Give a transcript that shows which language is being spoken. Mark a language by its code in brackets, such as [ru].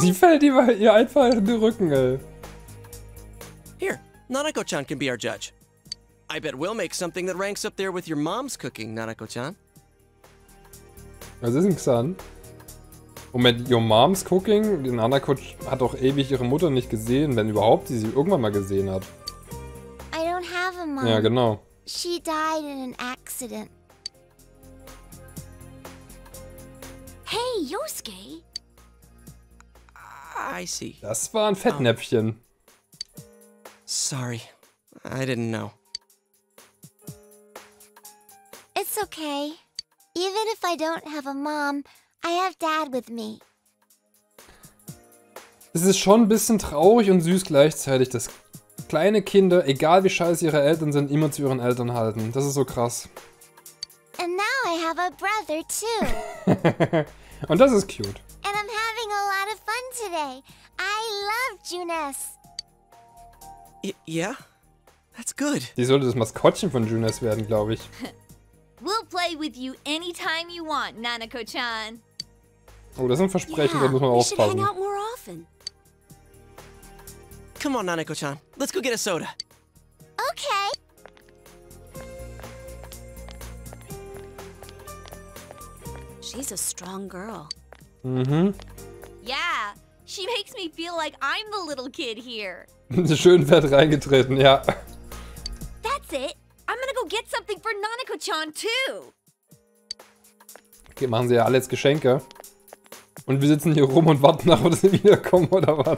[de] Sie fällt ihr einfach in den Rücken, ey. [en] Here, Nanako-chan can be our judge. I bet we'll make something that ranks up there with your mom's cooking, Nanako-chan. [de] Was ist denn, Xan? Und mit [en] your mom's cooking? [de] Nanako hat doch ewig ihre Mutter nicht gesehen, wenn überhaupt sie irgendwann mal gesehen hat. [en] I don't have a mom. [de] Ja, genau. [en] She died in an accident. Hey, Yosuke! I see. [de] Das war ein Fettnäpfchen. [en] Sorry, I didn't know. It's okay. Even if I don't have a mom, I have dad with me. [de] Es ist schon ein bisschen traurig und süß gleichzeitig, dass kleine Kinder, egal wie scheiße ihre Eltern sind, immer zu ihren Eltern halten. Das ist so krass. [en] And now I have a brother too. [de] Und das ist cute. [en] And I'm having a lot of fun today. I love Junes. Yeah? That's good. [de] Sie sollte das Maskottchen von Junes werden, glaube ich. [en] We'll play with you anytime you want, Nanako-chan. [de] Oh, das ist ein Versprechen, [en] yeah, [de] da muss man aufpassen. [en] Hang out more often. Come on, Nanako-chan. Let's go get a soda. Okay. She's a strong girl. Mhm. Yeah, she makes me feel like I'm the little kid here. [de] Schön fett reingetreten, ja. [en] That's it. I'm gonna go get something for Nanako-chan, too! [de] machen sie ja alle jetzt Geschenke. Und wir sitzen hier rum und warten darauf, dass sie wiederkommen, oder was?